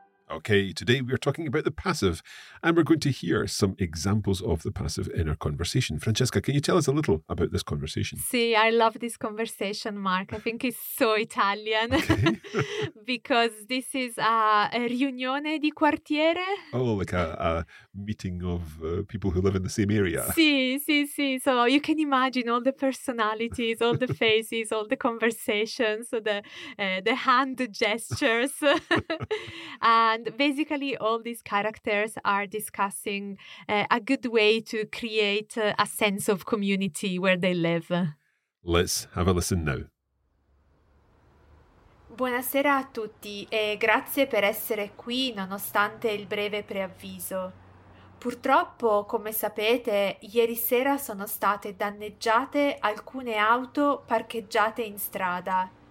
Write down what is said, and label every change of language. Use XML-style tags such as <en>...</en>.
<en>Okay, today we are talking about the passive, and we're going to hear some examples of the passive in our conversation. Francesca, can you tell us a little about this conversation? See, I love this conversation, Mark. I think it's so Italian. Okay. Because this is a</en> <it>riunione di quartiere.</it> <en>Oh, like a meeting of people who live in the same area. Sì. So you can imagine all the personalities, all the faces, all the conversations, so the hand gestures. And basically, all these characters are discussing a good way to create a sense of community where they live. Let's have a listen now.</en> <it>Buonasera a tutti e grazie per essere qui nonostante il breve preavviso. Purtroppo, come sapete, ieri sera sono state danneggiate alcune auto parcheggiate in strada.</it>